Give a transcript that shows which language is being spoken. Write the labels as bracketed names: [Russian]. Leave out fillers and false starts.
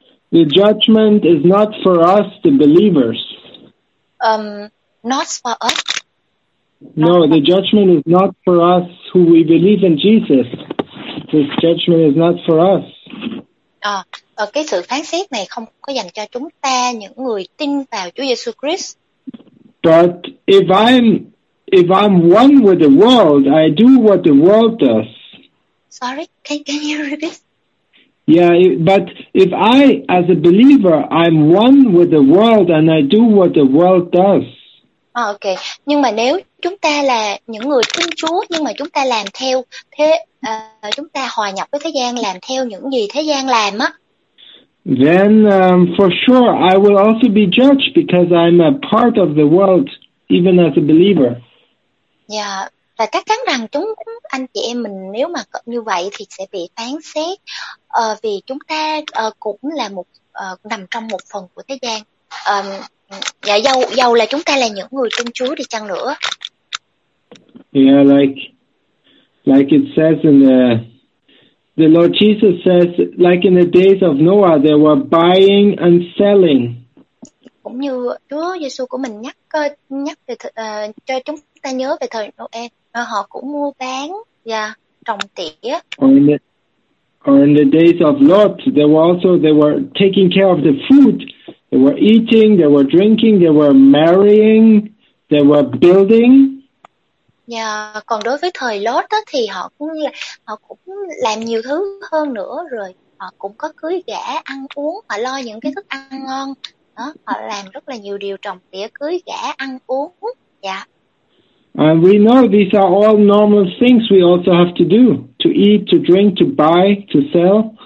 [English] The judgment is not for us, the believers. Not for us. No, the judgment is not for us who we believe in Jesus. This judgment is not for us. [Vietnamese] Cái sự phán xét này không có dành cho chúng ta những người tin vào Chúa Giêsu Christ. [English] But if I'm one with the world, I do what the world does. Sorry, can you repeat? Yeah, but if I, as a believer, I'm one with the world and I do what the world does. Okay. [Vietnamese] Nhưng mà nếu chúng ta là những người tin Chúa nhưng mà chúng ta làm theo thế, chúng ta hòa nhập với thế gian, làm theo những gì thế gian làm á. [English] Then for sure I will also be judged because I'm a part of the world even as a believer. Yeah. [Vietnamese] Và chắc chắn rằng chúng anh chị em mình nếu mà như vậy thì sẽ bị phán xét vì chúng ta cũng là một nằm trong một phần của thế gian. Dạ dầu là chúng ta là những người tin Chúa đi chăng nữa. [English] Yeah, like it says in the Lord Jesus says, like in the days of Noah, there were buying and selling. [Vietnamese] Cũng như Chúa Giêsu của mình nhắc về cho chúng ta nhớ về thời Noah. Họ cũng mua bán và trồng tỉa. [English] Or in the days of Lot, they were taking care of the food. They were eating, they were drinking, they were marrying, they were building. [Vietnamese] Còn đối với thời Lot đó thì họ cũng làm nhiều thứ hơn nữa, rồi họ cũng có cưới gả, ăn uống, họ lo những cái thức ăn ngon. Đó, họ làm rất là nhiều điều, trồng tỉa, cưới gả, ăn uống. [English] And we know these are all normal things we also have to do, to eat, to drink, to buy, to sell.